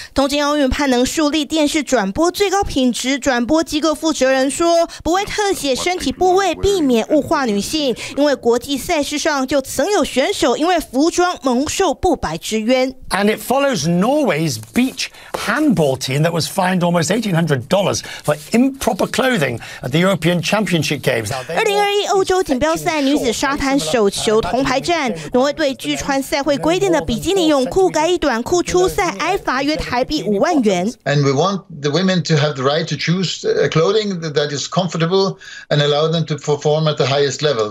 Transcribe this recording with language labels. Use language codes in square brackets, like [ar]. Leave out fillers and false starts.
[zh] 东京奥运盼能树立电视转播最高品质，转播机构负责人说不会特写身体部位，避免物化女性，因为国际赛事上就曾有选手因为服装蒙受不白之冤。 [en] And it follows Norway's beach handball team that was fined almost $1,800 for improper clothing at the European Championship Games. [zh] 2021欧洲锦标赛女子沙滩手球铜牌战，挪威队拒穿赛会规定的比基尼泳裤，改以短裤出赛，挨罚约台币50,000元。 [en] And we want the women to have the right to choose clothing that is comfortable and allow them to perform at the highest level.